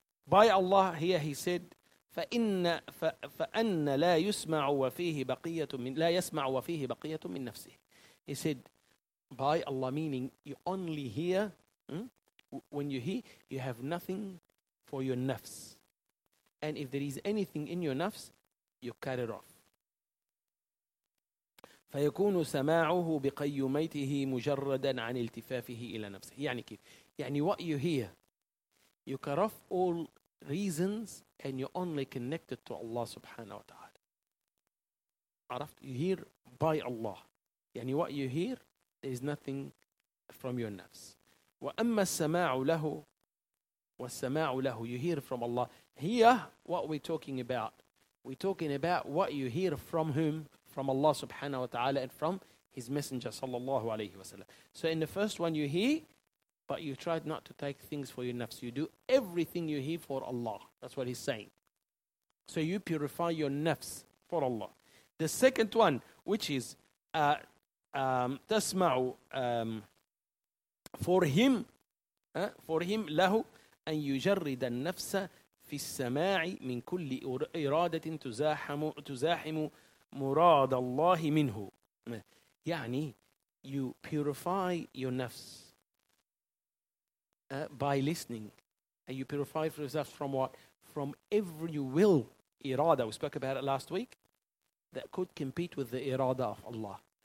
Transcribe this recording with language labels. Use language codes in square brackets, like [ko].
[en] By Allah, here he said, [ar] فَأَنَّ لَا يُسْمَعُ وَفِيهِ بَقِيَّةٌ مِّن لَا يَسْمَعُ وَفِيهِ بَقِيَّةٌ مِّن نَفْسِهِ. [en] He said, by Allah, meaning you only hear, when you hear, you have nothing for your nafs. And if there is anything in your nafs, you cut it off. [ar] فيكون سماعه بقيوميته مجردا عن التفافه الى نفسه. يعني كيف? يعني [en] what you hear, you cut off all reasons and you're only connected to Allah subhanahu wa ta'ala. [ar] عرفت? [en] You hear by Allah. [ar] يعني [en] what you hear, there is nothing from your nafs. [ar] واما السماع له, والسماع له, [en] you hear from Allah. Here, what we're talking about? We're talking about what you hear from whom? From Allah subhanahu wa ta'ala and from His Messenger sallallahu alayhi wa sallam. So in the first one you hear, but you try not to take things for your nafs. You do everything you hear for Allah. That's what he's saying. So you purify your nafs for Allah. The second one, which is [ar] تسمعوا [en] for him [ar] له أن يجرد النفس في السماع من كل إرادة تزاحم مراد الله منه. يعني [en] you purify your nafs by listening, and you purify yourself from what? From every will, irada. We spoke about it last week, that could compete with the irada of Allah.